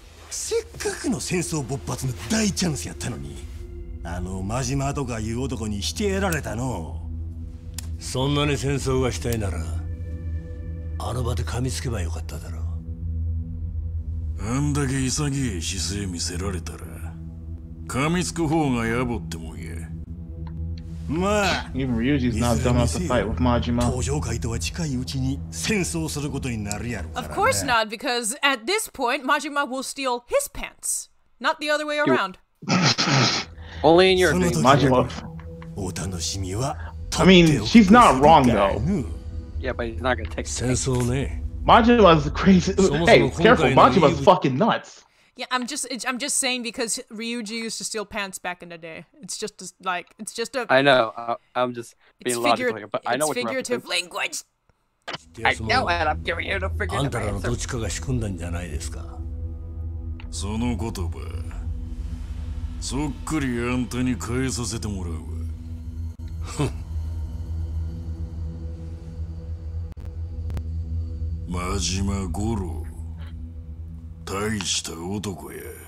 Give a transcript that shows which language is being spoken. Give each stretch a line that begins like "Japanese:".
Japanese: せっかくの戦争勃発の大チャンスやったのに、あのマジマとかいう男にしてやられたの。そんなに戦争がしたいなら、あの場で噛みつけばよかっただろう。あんだけ潔い姿勢見せられたら、噛みつく方が野暮ってもん。
English: Even Ryuji's not dumb enough to fight with Majima.
Japanese: 登場会とは近いうちに戦争することになるやろ。
English: Of course not, because at this point, Majima will steal his pants. Not the other way around. Only in your dream, Majima.
Japanese: お楽しみは
English: I mean, she's not wrong, though. Yeah, but he's not gonna take sense. Majima's crazy. Hey, careful. Majima's fucking nuts. Yeah, I'm just saying because Ryuji used to steal pants back in the day. It's just a, like, it's just a... I know. I'm just being logical here, but I know it's figurative language. I know, and I'm giving you the figurative answer.
Japanese: あんたらのどっちかが仕組んだんじゃないですか? その言葉、そっくりあんたに返させてもらうわ。マジマゴロ、大した男や。